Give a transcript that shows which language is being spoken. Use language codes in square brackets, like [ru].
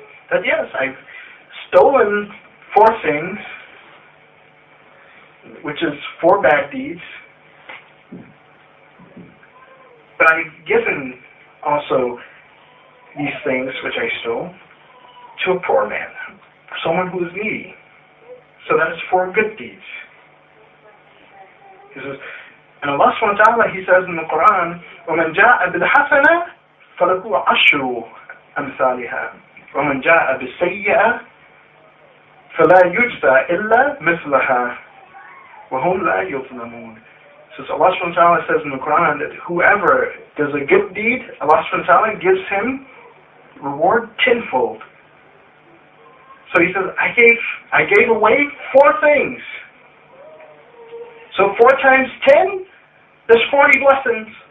[en] That yes, I've stolen 4 things, which is 4 bad deeds. But I've given also these things, which I stole, to a poor man, someone who is needy. So that is 4 good deeds. He says, and Allah subhanahu wa ta'ala, he says in the Quran, [ar] وَمَنْ جَاءَ بِالْحَسَنَةِ فَلَهُ عَشْرُ أَمْثَالِهَا وَمَنْ جَاءَ بِالسَّيِّئَةِ فَلَا يُجْزَى إِلَّا مِثْلَهَا وَهُمْ لَا يُظْلَمُونَ. [en] So Allah subhanahu wa ta'ala says in the Quran that whoever does a good deed, Allah subhanahu wa ta'ala gives him reward tenfold. So he says, I gave away 4 things. So 4 times 10, there's 40 blessings.